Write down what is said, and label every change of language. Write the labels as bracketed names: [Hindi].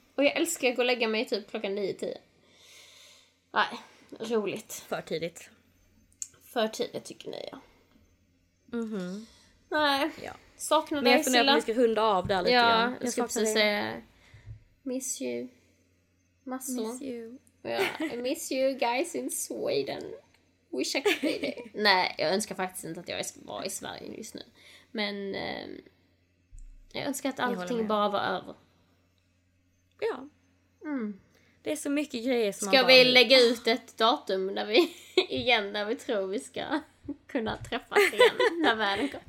[Swedish] Och jag älskar att gå och lägga mig typ klockan 9-10. Nej, roligt. För tidigt. För tidigt tycker ni, ja. Mm-hmm. Nej, ja. Saknar dig, Silla. Men jag funderar på att vi ska hunda av där lite. Ja, jag ska precis säga [English] miss you. [Swedish] Massor. [English] Miss you. Yeah. I miss you guys in Sweden. Wish I could be there. [Swedish] Nej, jag önskar faktiskt inte att jag ska vara i Sverige just nu. Men jag önskar att allting bara var över. Ja. Mm. Det är så mycket grejer som ska man bara... Ska vi lägga ut ett datum när vi igen, när vi tror vi ska kunna träffas igen när världen kommer?